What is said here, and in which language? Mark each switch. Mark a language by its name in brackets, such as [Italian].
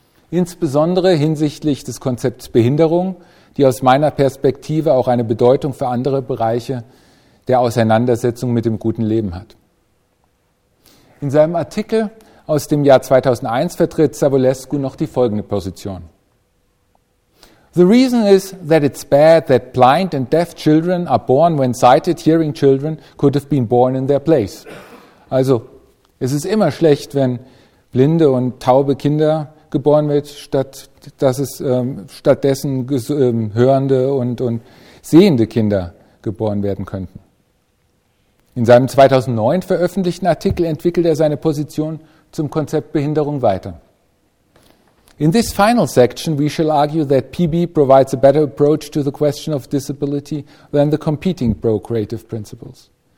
[German] Insbesondere hinsichtlich des Konzepts Behinderung, die aus meiner Perspektive auch eine Bedeutung für andere Bereiche der Auseinandersetzung mit dem guten Leben hat. In seinem Artikel aus dem Jahr 2001 vertritt Savulescu noch die folgende Position. [English] The reason is that it's bad that blind and deaf children are born when sighted hearing children could have been born in their place. [German] Also, es ist immer schlecht, wenn blinde und taube Kinder geboren wird, statt dass es stattdessen hörende und sehende Kinder geboren werden könnten. In seinem 2009 veröffentlichten Artikel entwickelt er seine Position zum Konzept Behinderung weiter. [English] In this final section, we shall argue that PB provides a better approach to the question of disability than the competing procreative principles.